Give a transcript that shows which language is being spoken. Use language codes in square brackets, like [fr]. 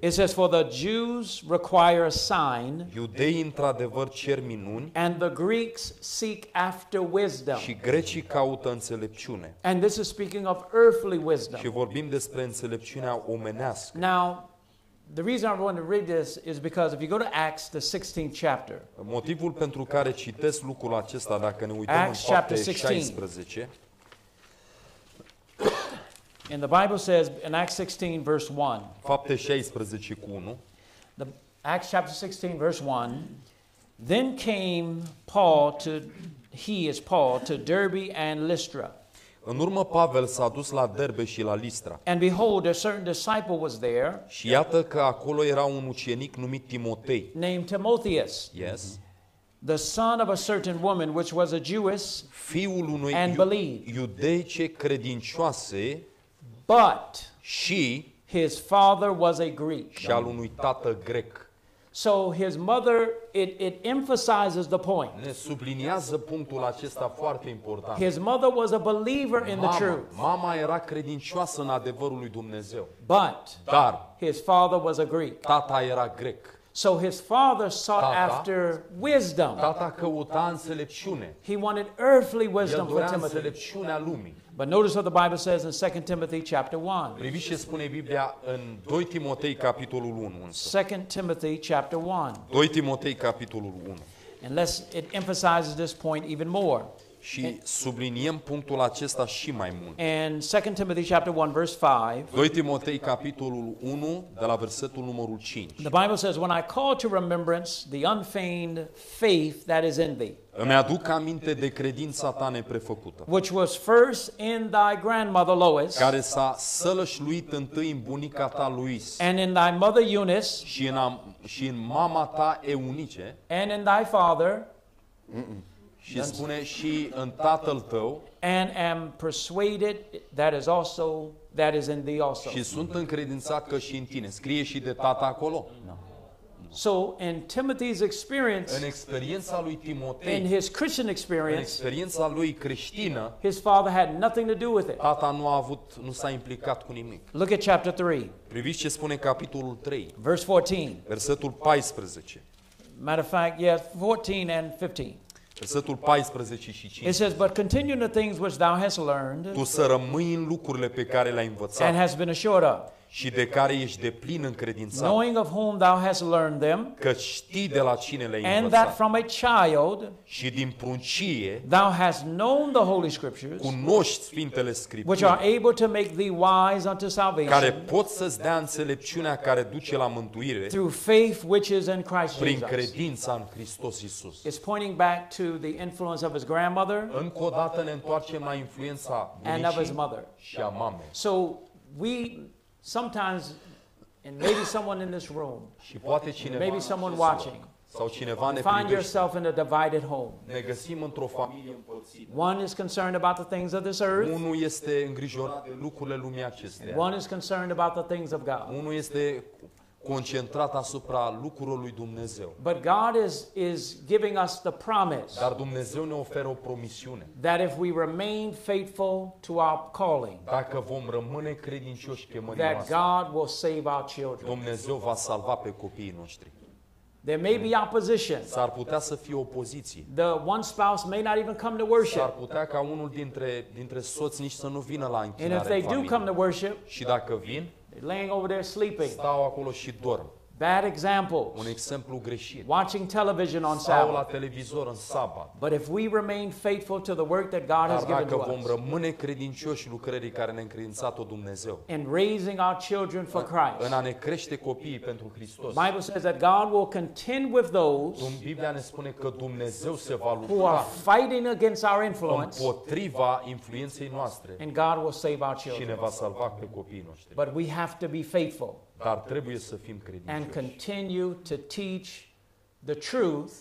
[en] It says, for the Jews require a sign. [ro] Iudeii într-adevăr cer minuni. [en] And the Greeks seek after wisdom. [ro] Și grecii caută înțelepciune. [en] And this is speaking of earthly wisdom. [ro] Și vorbim despre înțelepciunea omenească. [en] Now, the reason I want to read this is because if you go to Acts, the 16th chapter. [ro] Motivul pentru care citesc lucrul acesta, dacă ne uităm Acts, în fapte 16. [en] And the Bible says in Acts 16 verse 1. [ro] Fapte 16 cu 1. [en] The Acts chapter 16 verse 1. Then came Paul to, he is Paul, to Derbe and Lystra. [ro] În urmă Pavel s-a dus la Derbe și la Listra. [en] And behold, a certain disciple was there. [ro] Și iată că acolo era un ucenic numit Timotei. [en] Named Timotheus. Yes. The son of a certain woman which was a Jewess. [ro] Fiul unui iudeice credincioase. [en] But she, his father was a Greek. [ro] Și al unui tată grec. [en] So his mother, it emphasizes the point. [ro] Ne subliniază punctul acesta foarte important. [en] His mother was a believer in the truth. [ro] Mama era credincioasă în adevărul lui Dumnezeu. [en] But [ro] dar [en] his father was a Greek. [ro] Tata era grec. [en] So his father sought after wisdom. [ro] Tata căuta înțelepciune. [en] He wanted earthly wisdom for Timothy. [ro] El dorea înțelepciunea lumii. [en] But notice what the Bible says in 2 Timothy chapter 1. [ro] Priviți ce spune Biblia în 2 Timotei capitolul 1. [en] 2 Timothy chapter 1. [ro] 2 Timotei capitolul 1. [en] Unless it emphasizes this point even more. [ro] Și subliniem punctul acesta și mai mult. [en] And 2 Timothy chapter 1 verse 5. [ro] 2 Timotei capitolul 1 de la versetul numărul 5. [en] The Bible says, when I call to remembrance the unfeigned faith that is in thee. [ro] Îmi aduc aminte de credința ta neprefăcută. [en] Which was first in thy grandmother Lois. [ro] Care s-a sălășluit întâi în bunica ta Lois. [en] And in thy mother Eunice. [ro] Și în mama ta Eunice. [en] And in thy father. [ro] Mm-mm. Și spune și în tatăl tău. And am persuaded that is also that is in thee also. Și sunt încredințat că și în tine. Scrie și de tata acolo. [en] So in Timothy's experience, [ro] în experiența lui Timotei, [en] in his Christian experience, [ro] în experiența lui creștină, [en] his father had nothing to do with it. [ro] Tata nu s-a implicat cu nimic. [en] Look at chapter 3. [ro] Priviți ce spune capitolul 3. [en] Verse 14. [ro] Versetul 14. [en] Matter of fact, yes, 14 and 15. [ro] Versetul 14 și 5. [en] It says, but continue in the things which thou hast learned. [ro] Tu să rămâi în lucrurile pe care le-ai învățat. [en] And hast been assured of. [ro] Și de care ești deplin încredințat. [en] Knowing of whom thou hast learned them. [ro] Că știi de la cine le-ai învățat. [en] And that from a child. [ro] Și din pruncie. [en] Thou hast known the holy scriptures. [ro] Cunoști Sfintele Scripturi. [en] Which are able to make thee wise unto salvation. [ro] Care pot să-ți dea înțelepciunea care duce la mântuire. [en] Through faith which is in Christ Jesus. [ro] Prin credința în Hristos Iisus. [en] It's pointing back to the influence of his grandmother. [ro] Încă o dată ne întoarcem la influența bunicii. [en] And of his mother. [ro] Și a mamei. [en] So we... Sometimes, and maybe someone in this room, [ro] și poate cineva, [en] maybe someone watching, [ro] sau cineva ne privește, [en] find yourself in a divided home. [ro] Ne găsim într-o familie împărțită. [en] One is concerned about the things of this earth. [ro] Unul este îngrijorat de lucrurile lumii acesteia. [en] One is concerned about the things of God. [ro] Unul este concentrat asupra lucrurilor lui Dumnezeu. [en] But God is giving us the promise. [ro] Dar Dumnezeu ne oferă o promisiune. [en] That if we remain faithful to our calling. [ro] Dacă vom rămâne credincioși chemării noastre. [en] That God will save our children. [ro] Dumnezeu va salva pe copiii noștri. [en] There may be opposition. [ro] S-ar putea să fie opoziție. [en] The one spouse may not even come to worship. [ro] S-ar putea ca unul dintre soți nici să nu vină la închinare. [en] And if they do come to worship. [ro] Și dacă vin, [en] laying over there sleeping. [ro] Stau acolo și dorm. [en] Bad examples. [ro] Un exemplu greșit. [en] Watching television on Sabbath. [ro] Stau la televizor în sabat. [en] But if we remain faithful to the work that God has given to us. [ro] Dacă vom rămâne credincioși lucrării care ne-a încredințat-o Dumnezeu. [en] In raising our children for Christ. [ro] În a ne crește copiii pentru Hristos. [en] Bible says that God will contend with those. [ro] Biblia ne spune că Dumnezeu se va lupta. [en] Who are fighting against our influence. [ro] Împotriva influenței noastre. [en] And God will save our children. [ro] Și ne va salva pe copiii noștri. [en] But we have to be faithful. [ro] Dar trebuie să fim credincioși. [en] And continue to teach the truth.